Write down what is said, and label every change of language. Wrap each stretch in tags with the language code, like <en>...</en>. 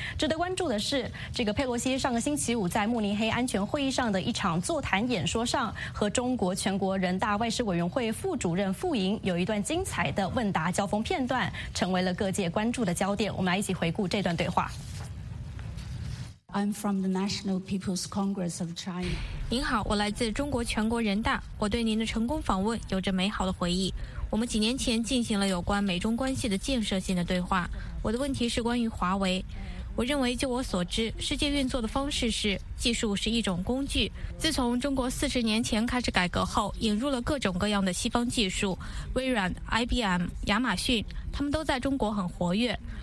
<zh>值得关注的是，这个佩洛西上个星期五在慕尼黑安全会议上的一场座谈演说上，和中国全国人大外事委员会副主任傅莹有一段精彩的问答交锋片段，成为了各界关注的焦点。我们来一起回顾这段对话。</zh> <en>I'm from the National People's Congress of China.</en> <zh>您好，我来自中国全国人大，我对您的成功访问有着美好的回忆。我们几年前进行了有关美中关系的建设性的对话。我的问题是关于华为。我认为，就我所知，世界运作的方式是，技术是一种工具。自从中国40年前开始改革后，引入了各种各样的西方技术，微软、IBM、亚马逊，他们都在中国很活跃。</zh>